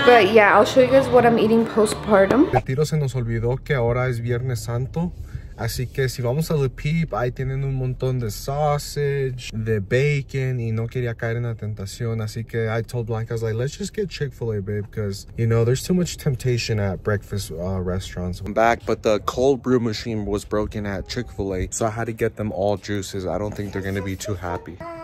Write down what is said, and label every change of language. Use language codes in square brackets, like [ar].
[en] But yeah, I'll show you guys what I'm eating postpartum. [es] De tiro se nos olvidó que ahora es Viernes Santo. Así que si vamos a Le Peep, ahí tienen un montón de sausage, de bacon, y no quería caer en la tentación. Así que [en] I told Blanca, I was like, let's just get Chick-fil-A, babe, because, you know, there's too much temptation at breakfast restaurants. I'm back, but the cold brew machine was broken at Chick-fil-A, so I had to get them all juices. I don't think they're going to be too happy.